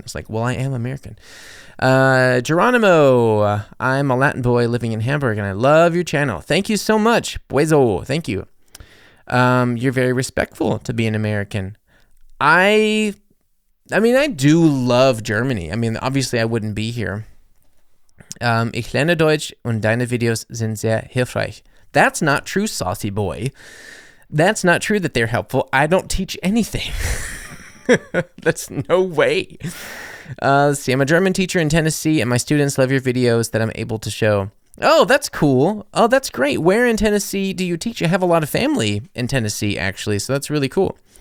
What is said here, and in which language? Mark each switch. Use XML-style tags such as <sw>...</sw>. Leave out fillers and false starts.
<en>It's like, well, I am American. Geronimo, I'm a Latin boy living in Hamburg, and I love your channel. Thank you so much. Buezo, thank you. You're very respectful to be an American. I mean, I do love Germany. I mean, obviously, I wouldn't be here.</en> <de>Ich lerne Deutsch und deine Videos sind sehr hilfreich.</de> <en>That's not true, saucy boy. That's not true that they're helpful. I don't teach anything. That's no way. Let's see, I'm a German teacher in Tennessee and my students love your videos that I'm able to show. Oh, that's cool. Oh, that's great. Where in Tennessee do you teach? I have a lot of family in Tennessee, actually, so that's really cool.</en>